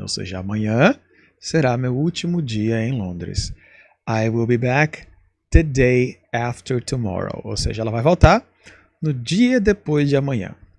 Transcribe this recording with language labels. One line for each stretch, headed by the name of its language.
Portuguese: Ou seja, amanhã será meu último dia em Londres.
English: I will be back the day after tomorrow.
Portuguese: Ou seja, ela vai voltar no dia depois de amanhã.